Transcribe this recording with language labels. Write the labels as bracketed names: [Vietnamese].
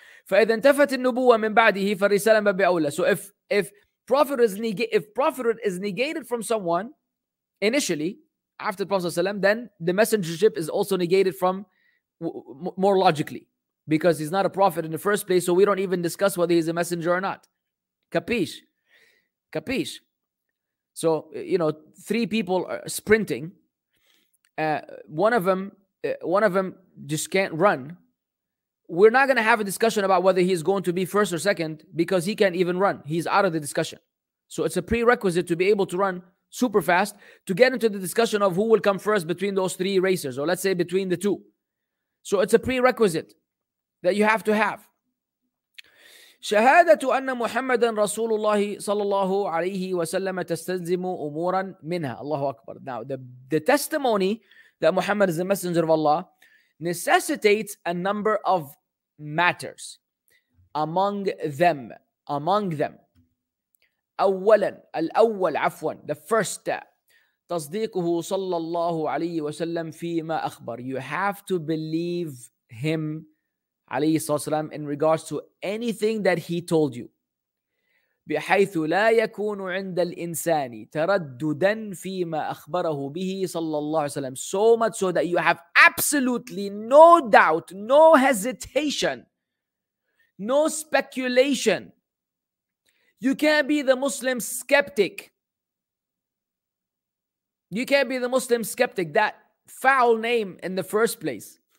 [Arabic] فإذا انتفت النبوة من بعده فالرسالة مبي أولى. [English] So if prophethood is negated from someone initially after the Prophet ﷺ, then the messengership is also negated from more logically. Because he's not a prophet in the first place, so we don't even discuss whether he's a messenger or not. Capish. So, you know, three people are sprinting. One of them just can't run. We're not going to have a discussion about whether he's going to be first or second, because he can't even run. He's out of the discussion. So it's a prerequisite to be able to run super fast to get into the discussion of who will come first between those three racers, or let's say between the two. So it's a prerequisite that you have to have. [Arabic] شهادة أن محمدا رسول الله صلى الله عليه وسلم تستلزم أمورا منها. الله أكبر. [English] Now the testimony that Muhammad is the messenger of Allah necessitates a number of matters. Among them. [Arabic] أولا, الأول عفوا, [English] the first, [Arabic] تصديقه صلى الله عليه وسلم فيما أخبر. [English] You have to believe him [Arabic] عليه الصلاة والسلام [English] in regards to anything that he told you. [Arabic] بحيث لا يكون عند الإنسان ترددا فيما أخبره به صلى الله عليه وسلم. [English] So much so that you have absolutely no doubt, no hesitation, no speculation. You can't be the Muslim skeptic. You can't be the Muslim skeptic. That foul name in the first place.